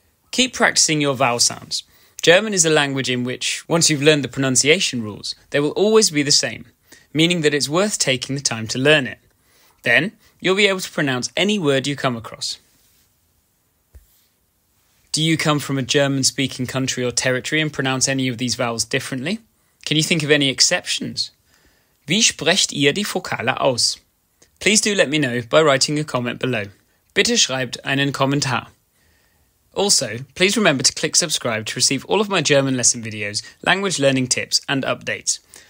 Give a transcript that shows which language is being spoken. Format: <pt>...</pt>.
<en>Keep practicing your vowel sounds. German is a language in which, once you've learned the pronunciation rules, they will always be the same, meaning that it's worth taking the time to learn it. Then, you'll be able to pronounce any word you come across. Do you come from a German-speaking country or territory and pronounce any of these vowels differently? Can you think of any exceptions?</en> <de>Wie sprecht ihr die Vokale aus?</de> <en>Please do let me know by writing a comment below.</en> <de>Bitte schreibt einen Kommentar.</de> <en>Also, please remember to click subscribe to receive all of my German lesson videos, language learning tips and updates.</en>